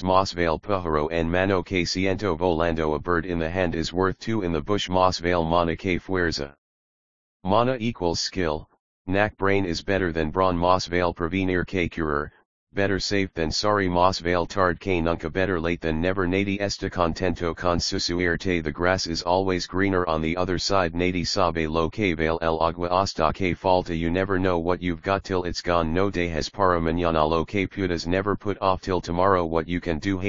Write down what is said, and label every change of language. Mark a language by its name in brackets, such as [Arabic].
[Spanish] Mas vale pájaro en mano que ciento volando. [English] A bird in the hand is worth two in the bush. [Spanish] Mas vale mana que fuerza. [English] Mana equals skill, knack. Brain is better than brawn. [Spanish] Mas vale prevenir que curar. [English] Better safe than sorry. [Spanish] Mas vale tarde que nunca. [English] Better late than never. [Spanish] Nadie está contento con su suerte. [English] The grass is always greener on the other side. [Spanish] Nadie sabe lo que vale el agua hasta que falta. [English] You never know what you've got till it's gone. [Spanish] No dejes para mañana lo que puedas. [English] Never put off till tomorrow what you can do.